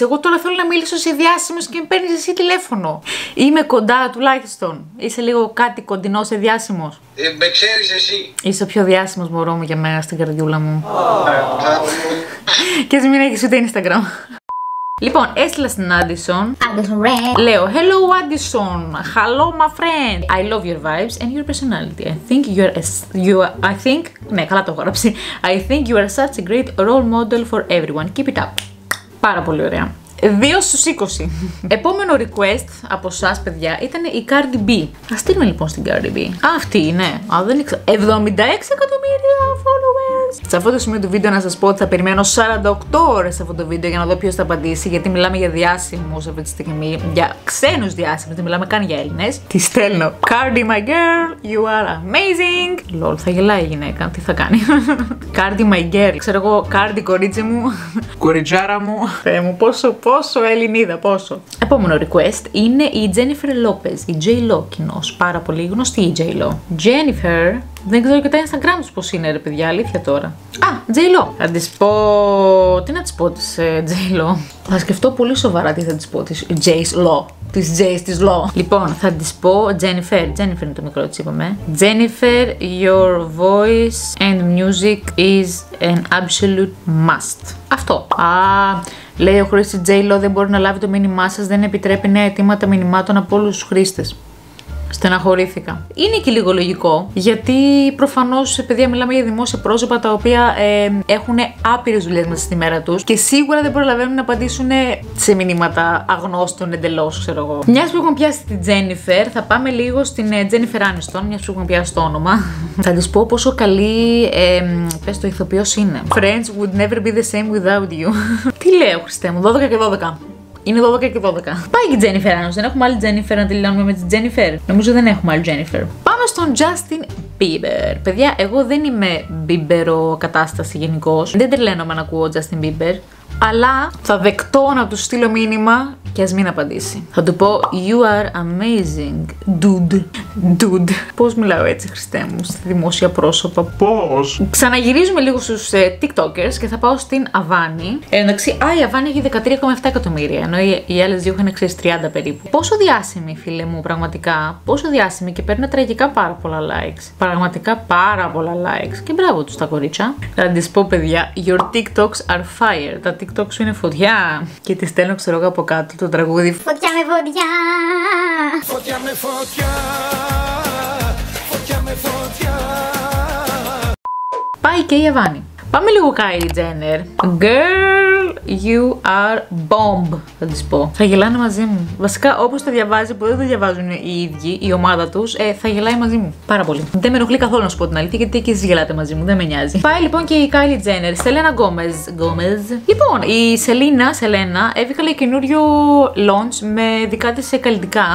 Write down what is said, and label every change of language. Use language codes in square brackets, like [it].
[el] Εγώ τώρα θέλω να μιλήσω σε διάσημους και με παίρνεις εσύ τηλέφωνο. Είμαι κοντά τουλάχιστον. Είσαι λίγο κάτι κοντινό σε διάσημος. Με ξέρεις εσύ. Είσαι ο πιο διάσημος, μωρό μου, για μένα στην καρδιούλα μου. Και ας μην έχεις ούτε Instagram. Λοιπόν, έστειλα στην Addison. Addison Rae. Λέω, [en] hello Addison. Hello my friend. I love your vibes and your personality. I think, [el] ναι, καλά το έχω γράψει. [en] I think you are such a great role model for everyone. Keep it up. [el] Πάρα πολύ ωραία. 2 στους 20. Επόμενο request από εσάς, παιδιά, ήταν η Cardi B. Θα στείλουμε λοιπόν στην Cardi B. Αυτή είναι. Α, δεν ήξερα. 76 εκατομμύρια followers. μας. Σε αυτό το σημείο του βίντεο να σας πω ότι θα περιμένω 48 ώρες σε αυτό το βίντεο για να δω ποιος θα απαντήσει, γιατί μιλάμε για διάσημους αυτή τη στιγμή, για ξένους διάσημους, δεν μιλάμε καν για Έλληνες. Τη στέλνω. [en] Cardi, my girl, you are amazing. [el] Λολ, θα γελάει η γυναίκα, τι θα κάνει. [en] Cardi, my girl, [el] ξέρω εγώ, Cardi, κορίτσι μου. Κοριτζάρα μου. Θεέ μου, πόσο Ελληνίδα, πόσο. Επόμενο request είναι η Jennifer Lopez, η J-Lo κοινός, πάρα πολύ γνωστή η J-Lo. Jennifer, δεν ξέρω και τα Instagram τους πώς είναι ρε παιδιά, αλήθεια τώρα. Α, J-Lo. Θα της πω, τι να της πω της J-Lo. Θα σκεφτώ πολύ σοβαρά τι θα της πω της J-Lo. Της J's, της Lo. Λοιπόν, θα της πω Jennifer. Jennifer είναι το μικρό, έτσι είπαμε. [en] Jennifer, your voice and music is an absolute must. [el] Αυτό. Α, λέει ο χρήστης J-Lo δεν μπορεί να λάβει το μήνυμά σας, δεν επιτρέπει νέα αιτήματα μηνυμάτων από όλους τους χρήστες. Στεναχωρήθηκα. Είναι και λίγο λογικό, γιατί προφανώς, παιδιά, μιλάμε για δημόσια πρόσωπα τα οποία έχουν άπειρες δουλειές μέσα στη μέρα τους και σίγουρα δεν προλαβαίνουν να απαντήσουν σε μηνύματα αγνώστων εντελώς, ξέρω εγώ. Μιας που έχουμε πιάσει την Jennifer, θα πάμε λίγο στην Jennifer Aniston, μιας που έχουμε πιάσει το όνομα. Θα της πω πόσο καλή, πες το, ηθοποιός είναι. [en] Friends would never be the same without you. [el] Τι λέω, Χριστέ μου, 12 και 12. Είναι 12 και 12. Πάει και η Jennifer, αν δεν έχουμε άλλη Jennifer να τηλεφωνούμε με την Jennifer. Νομίζω δεν έχουμε άλλη Jennifer. Πάμε στον Justin Bieber. Παιδιά, εγώ δεν είμαι Bieber-ο κατάσταση γενικώς. Δεν τρελαίνομαι να ακούω Justin Bieber. Αλλά θα δεκτώ να του στείλω μήνυμα και ας μην απαντήσει. Θα του πω [en] You are amazing, dude. Dude. [el] Πώς μιλάω έτσι, Χριστέ μου, στη δημόσια πρόσωπα. Πώς. Ξαναγυρίζουμε λίγο στους TikTokers και θα πάω στην Αβάνη. Εντάξει, α, η Αβάνη έχει 13,7 εκατομμύρια. Ενώ οι άλλες δύο είχαν ξέρει 30 περίπου. Πόσο διάσημη, φίλε μου, πραγματικά. Πόσο διάσημη και παίρνει τραγικά πάρα πολλά likes. Πραγματικά πάρα πολλά likes. Και μπράβο του τα κορίτσια. Θα τη πω, παιδιά, [en] Your TikToks are fire. [el] Τα TikTok σου είναι φωτιά. Και τη στέλνω, ξέρω εγώ από κάτω το τραγούδι. Φωτιά με φωτιά. Φωτιά με φωτιά. Φωτιά με φωτιά. Πάει και η Αβάνη. Πάμε λίγο Kylie Jenner. [en] Girl, you are bomb, [el] θα της πω. Θα γελάνε μαζί μου. Βασικά, όπως τα διαβάζει, που δεν τα διαβάζουν οι ίδιοι, η ομάδα τους, θα γελάει μαζί μου. Πάρα πολύ. Δεν με ενοχλεί καθόλου να σου πω την αλήθεια, γιατί και εσείς γελάτε μαζί μου, δεν με νοιάζει. Πάει λοιπόν και η Kylie Jenner, Selena Gomez. Gomez. Λοιπόν, η Selena, έβγαλε καινούριο launch με δικά της καλλιτικά.